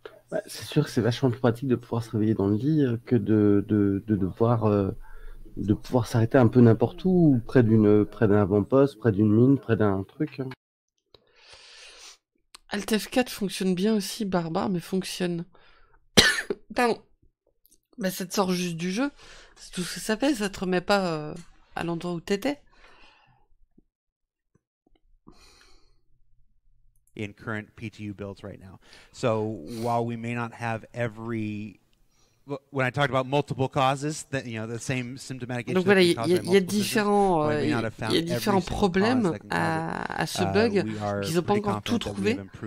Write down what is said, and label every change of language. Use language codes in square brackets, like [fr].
[fr] Bah, c'est sûr que c'est vachement plus pratique de pouvoir se réveiller dans le lit que de pouvoir s'arrêter un peu n'importe où, près d'un avant-poste, près d'une mine, près d'un truc. Alt-F4 fonctionne bien aussi, Barbare, mais fonctionne. Pardon. Mais ça te sort juste du jeu. C'est tout ce que ça fait, ça te remet pas à l'endroit où t'étais. [en] In current PTU builds right now. So while we may not have every... When I talked about multiple causes, that, you know, the same symptomatic issue. [fr] Donc voilà, il y a différents problèmes à ce bug qu'ils n'ont pas encore tout trouvé.